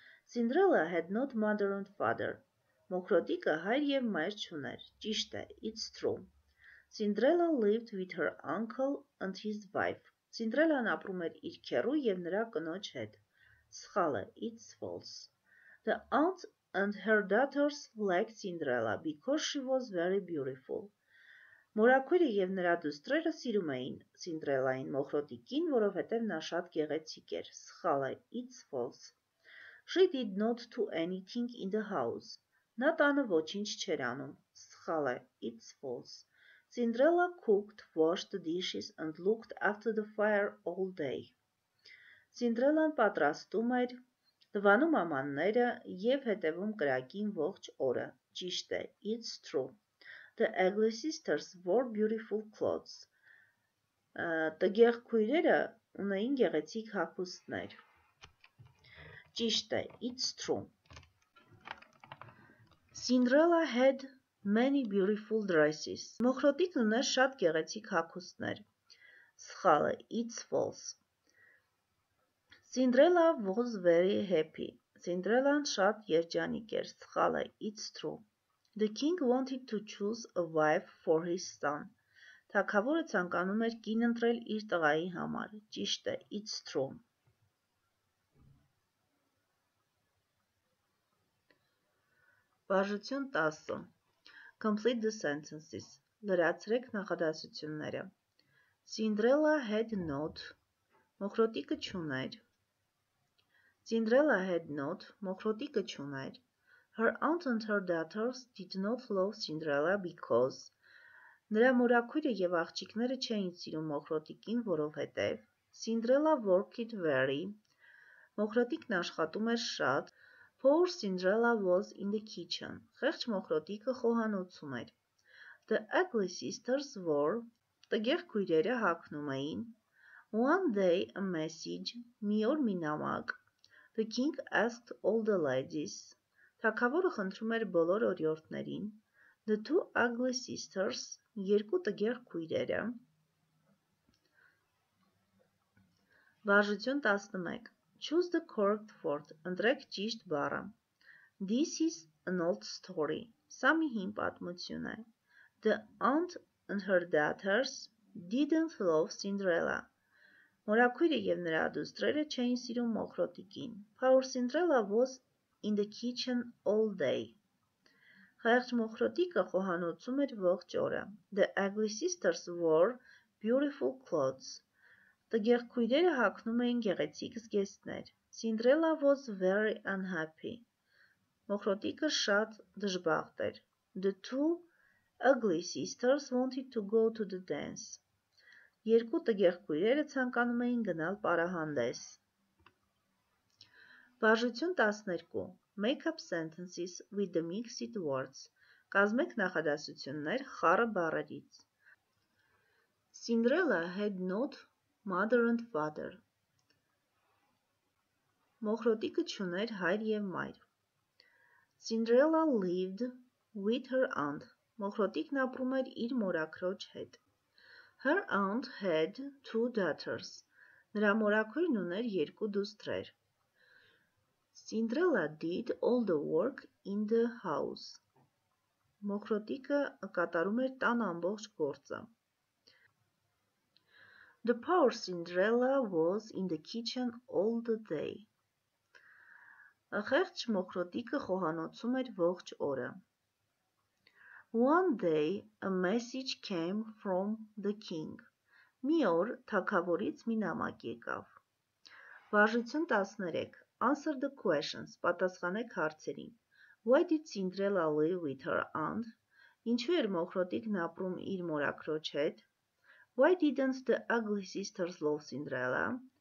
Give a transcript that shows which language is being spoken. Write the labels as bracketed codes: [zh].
[en] Cinderella had not mother and father. [hy] Մոխրոտիկը հայր և մայր չուներ, ճիշտ է, [en] it's true. Cinderella lived with her uncle and his wife. [hy] Cinderella-ն ապրում էր իր քեռու և նրա կնոջ հետ. Սխալ է, [en] it's false. The aunt and her daughters liked Cinderella because she was very beautiful. [hy] Մորաքույրը և նրա դուստրերը սիրում էին Cinderella-ին մոխրոտիկին, որովհետև նա շատ գեղեցիկ էր. Սխալ է, [en] it's false. She did not do anything in the house. [hy] Նա տանը ոչինչ չէր անում, սխալ է, [en] it's false. Cinderella cooked, washed the dishes and looked after the fire all day. [hy] Cinderella-ն պատրաստում էր, լվանում ամանները և հետևում կրակին ողջ օրը, ճիշտ է, [en] it's true. The ugly sisters wore beautiful clothes. [hy] Տգեղ քույրերը ունեին գեղեցիկ հագուստներ, ճիշտ է, [en] it's true. Cinderella had many beautiful dresses. [hy] Մոխրոտիկն ուներ շատ գեղեցիկ հագուստներ. Սխալ է, [en] it's false. Cinderella was very happy. [hy] Cinderella-ն շատ երջանիկ էր. Սխալ է, [en] it's true. The king wanted to choose a wife for his son. [hy] Թագավորը ցանկանում էր կին ընտրել իր տղայի համար. Ճիշտ է, [en] it's true. Բաժություն 10. Complete the sentences. [hy] Լրացրեք նախադասությունները. [en] Cinderella had not. [hy] Մոխրոտիկը չուներ. [en] Cinderella had not. [hy] Մոխրոտիկը չուներ. [en] Her aunt and her daughters did not love Cinderella because. [hy] Նրա մորաքույրը և աղջիկները չէին սիրում Մոխրոտիկին, որովհետև. [en] Cinderella worked very. [hy] Մոխրոտիկն աշխատում էր շատ. [en] Poor Cinderella was in the kitchen. [hy] Խեղճ մոխրոտիկը խոհանոցում էր. [en] The ugly sisters were. [hy] Տգեղ քույրերը հագնում էին. [en] One day a message. [hy] Մի օր մի նամակ. [en] The king asked all the ladies. [hy] Թագավորը խնդրում էր բոլոր օրիորդներին. [en] The two ugly sisters. [hy] Երկու տգեղ քույրերը. [en] Վարժություն 11. Choose the correct word. [hy] Ընտրեք ճիշտ բառը. [en] This is an old story. [hy] Սա մի հին պատմություն է. [en] The aunt and her daughters didn't love Cinderella. [hy] Մորաքույրը և նրա դուստրերը չէին սիրում մոխրոտիկին. [en] Poor Cinderella was in the kitchen all day. [hy] Խեղճ մոխրոտիկը խոհանոցում էր ողջ օրը. [en] The ugly sisters wore beautiful clothes. [hy] Տգեղ քույրերը հագնում էին գեղեցիկ զգեստներ. [en] Cinderella was very unhappy. [hy] Մոխրոտիկը շատ դժբախտ էր. [en] The two ugly sisters wanted to go to the dance. [hy] Երկու տգեղ քույրերը ցանկանում էին գնալ պարահանդես. [en] Վարժություն 12. Make up sentences with the mixed words. [hy] Կազմեք նախադասություններ խառը բառերից. [en] Cinderella had not mother and father. [hy] Մոխրոտիկը չուներ հայր և մայր. [en] Cinderella lived with her aunt. [hy] Մոխրոտիկն ապրում էր իր մորաքրոջ հետ. [en] Her aunt had two daughters. [hy] Նրա մորաքույրն ուներ երկու դուստրեր. [en] Cinderella did all the work in the house. [hy] Մոխրոտիկը կատարում էր տան ամբողջ գործը. [en] The poor Cinderella was in the kitchen all the day. [hy] Խեղճ մոխրոտիկը խոհանոցում էր ողջ օրը. [en] One day a message came from the king. [hy] Մի օր թագավորից մի նամակ եկավ. [en] Վարժություն 13. Answer the questions. [hy] Պատասխանեք հարցերին. [en] Why did Cinderella live with her aunt? [hy] Ինչու էր մոխրոտիկն ապրում իր մորաքրոջ հետ? [en] Why didn't the ugly sisters love Cinderella?